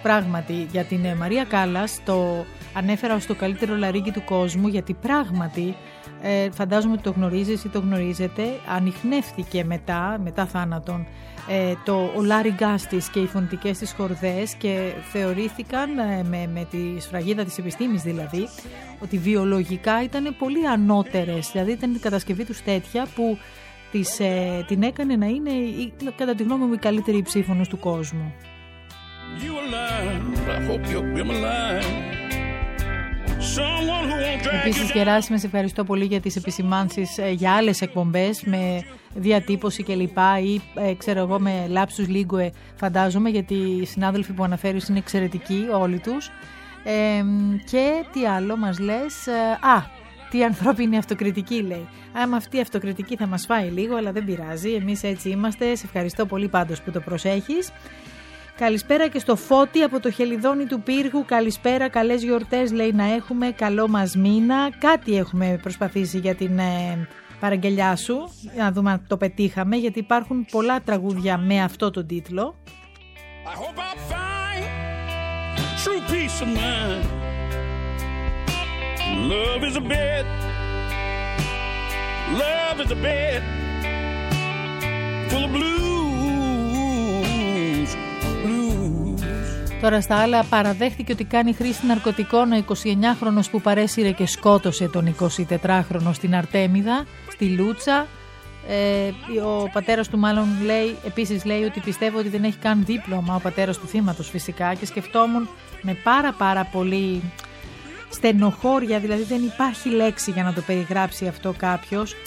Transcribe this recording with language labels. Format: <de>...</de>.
<el>Πράγματι, για την Μαρία Κάλλας το ανέφερα ως το καλύτερο λαρύγγι του κόσμου, γιατί πράγματι, φαντάζομαι ότι το γνωρίζεις ή το γνωρίζετε, ανιχνεύθηκε μετά θάνατον, ο λάρυγγάς της και οι φωνητικές της χορδές, και θεωρήθηκαν με τη σφραγίδα της επιστήμης δηλαδή, ότι βιολογικά ήταν πολύ ανώτερες, δηλαδή ήταν η κατασκευή τους τέτοια που την έκανε να είναι, κατά τη γνώμη μου, η καλύτερη ψήφωνος του κόσμου.</el> <en>You alive, I hope you'll be alive.</en> <el>Επίσης, Γεράση, με σε ευχαριστώ πολύ για τις επισημάνσεις για άλλες εκπομπές με διατύπωση κλπ. Ή ξέρω εγώ, με lapsus linguae, φαντάζομαι, γιατί οι συνάδελφοι που αναφέρεις είναι εξαιρετικοί όλοι τους. Και τι άλλο μας λες? Τι ανθρώπινη αυτοκριτική, λέει. Άμα αυτή η αυτοκριτική θα μας φάει λίγο, αλλά δεν πειράζει. Εμείς έτσι είμαστε. Σε ευχαριστώ πολύ πάντως που το προσέχεις. Καλησπέρα και στο Φώτη από το Χελιδόνι του Πύργου. Καλησπέρα, καλές γιορτές, λέει, να έχουμε. Καλό μας μήνα. Κάτι έχουμε προσπαθήσει για την παραγγελιά σου, να δούμε αν το πετύχαμε, γιατί υπάρχουν πολλά τραγούδια με αυτό τον τίτλο.</el> <en>I hope I find true peace of mind. Love is a bed. Love is a bed full of blues. Blues.</en> <el>Τώρα στα άλλα, παραδέχτηκε ότι κάνει χρήση ναρκωτικών ο 29χρονος που παρέσυρε και σκότωσε τον 24χρονο στην Αρτέμιδα, στη Λούτσα. Ο πατέρας του, μάλλον, λέει, επίσης λέει ότι πιστεύω ότι δεν έχει καν δίπλωμα ο πατέρας του θύματος, φυσικά, και σκεφτόμουν με πάρα πολύ στενοχώρια, δηλαδή δεν υπάρχει λέξη για να το περιγράψει αυτό κάποιος.</el>